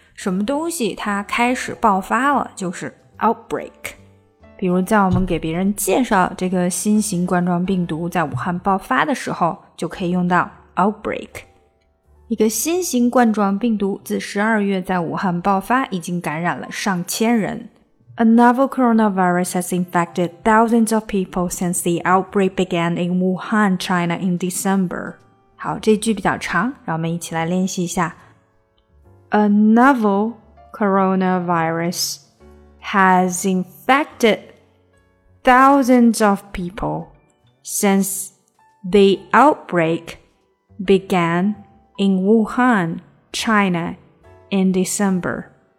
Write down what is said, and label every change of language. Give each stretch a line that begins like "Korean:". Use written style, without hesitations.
Chinese: 什么东西它开始爆发了，就是 outbreak. 比如在我们给别人介绍这个新型冠状病毒在武汉爆发的时候，就可以用到 outbreak. 一个新型冠状病毒自12月在武汉爆发，已经感染了上千人。
English: A novel coronavirus has infected thousands of people since the outbreak began in Wuhan, China in December.
Chinese: 好，这句比较长，让我们一起来练习一下。
English: A novel coronavirus has infected thousands of people since the outbreak began in Wuhan, China in December.